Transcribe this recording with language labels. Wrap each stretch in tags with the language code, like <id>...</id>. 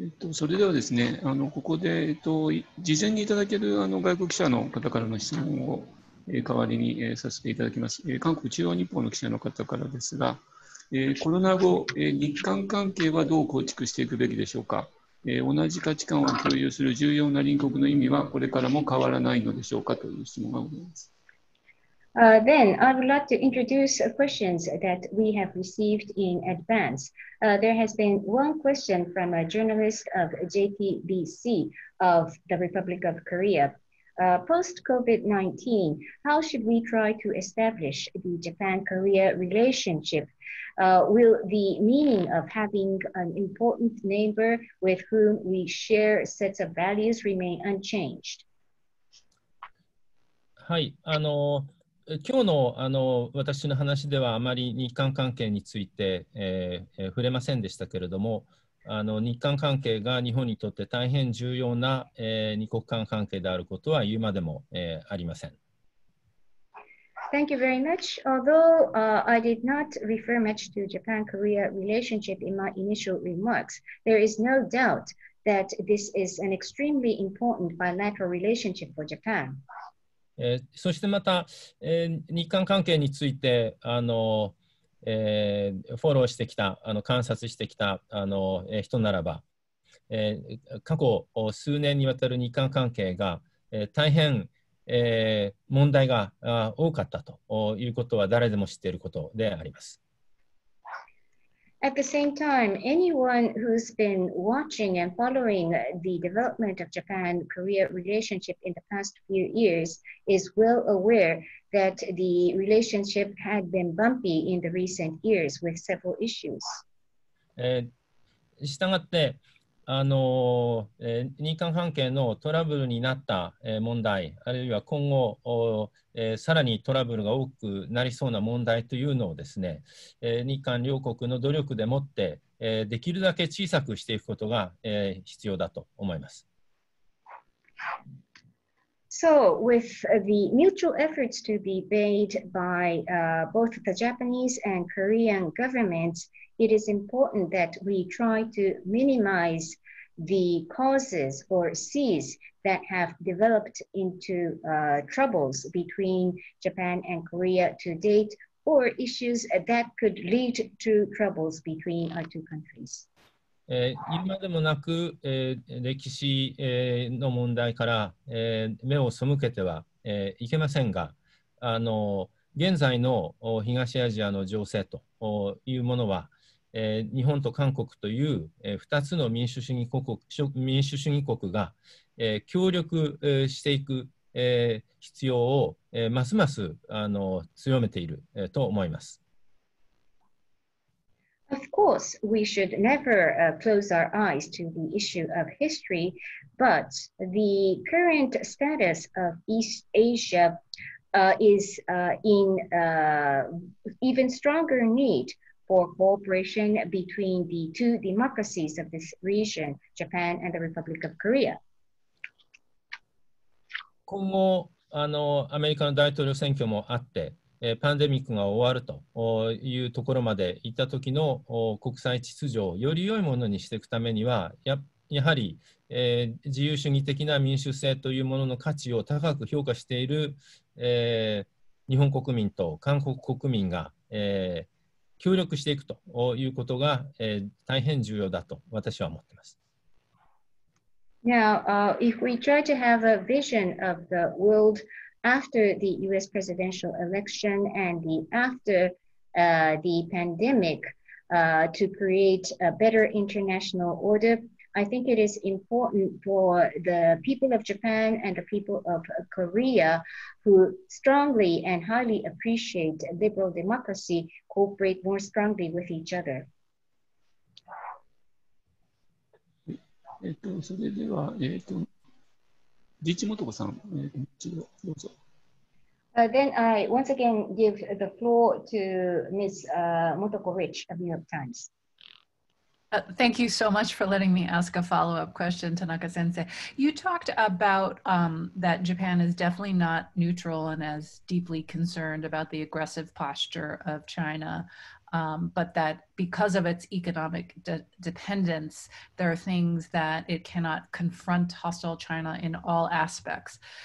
<ja>それではですね、ここで、事前にいただける外国記者の方からの質問を、代わりに、させていただきます。韓国中央日報の記者の方からですが、コロナ後、日韓関係はどう構築していくべきでしょうか、同じ価値観を共有する重要な隣国の意味はこれからも変わらないのでしょうかという質問がございます。</ja> <en>Then I would like to introduce questions that we have received in advance. There has been one question from a journalist of JTBC of the Republic of Korea. Post-COVID-19, how should we try to establish the Japan-Korea relationship? Will the meaning of having an important neighbor with whom we share sets of values remain unchanged?</en> <ja>Hi, 今日 の, 私の話ではあまり日韓関係について、触れませんでしたけれども日韓関係が日本にとって大変重要な、二国間関係であることは言うまでも、ありません。</ja> <en>Thank you very much. Although、I did not refer much to Japan-Korea relationship in my initial remarks, there is no doubt that this is an extremely important bilateral relationship for Japan.</en> <ja>そしてまた、日韓関係についてフォローしてきた観察してきた人ならば、過去数年にわたる日韓関係が、大変、問題が多かったということは誰でも知っていることであります。</ja> <en>At the same time, anyone who's been watching and following the development of Japan-Korea relationship in the past few years is well aware that the relationship had been bumpy in the recent years with several issues.</en> <ja>したがって、日韓関係のトラブルになった、問題、あるいは今後、さらにトラブルが多くなりそうな問題というのをですね、日韓両国の努力でもって、できるだけ小さくしていくことが、必要だと思います。</ja> <en>So, with the mutual efforts to be made by, both the Japanese and Korean governments, it is important that we try to minimize the causes or seas that have developed into, troubles between Japan and Korea to date, or issues that could lead to troubles between our two countries.</en> <ja>今でもなく、歴史、の問題から、目を背けては、いけませんが現在の東アジアの情勢というものは、日本と韓国という、2つの民主主義国、民主主義国が、協力、していく、必要を、ますます強めている、と思います。</ja> <en>Of course, we should never, close our eyes to the issue of history, but the current status of East Asia, is, in, even stronger need for cooperation between the two democracies of this region, Japan and the Republic of Korea.</en> <ja>今後、アメリカの大統領選挙もあってパンデミックが終わるというところまで行った時の国際秩序をより良いものにしていくためには やはり、自由主義的な民主制というものの価値を高く評価している、日本国民と韓国国民が、協力していくということが、大変重要だと私は思っています。</ja> <en>Now, if we try to have a vision of the world after the US presidential election and the after the pandemic to create a better international order, I think it is important for the people of Japan and the people of Korea who strongly and highly appreciate liberal democracy cooperate more strongly with each other.</en> <ja>それでは、リチモトコさん、一度どうぞ。</ja> <en>Then I once again give the floor to Ms. Motoko Rich of New York Times. Thank you so much for letting me ask a follow-up question, Tanaka-sensei. You talked about that Japan is definitely not neutral and as deeply concerned about the aggressive posture of China,but that because of its economic dependence, there are things that it cannot confront hostile China in all aspects.</en>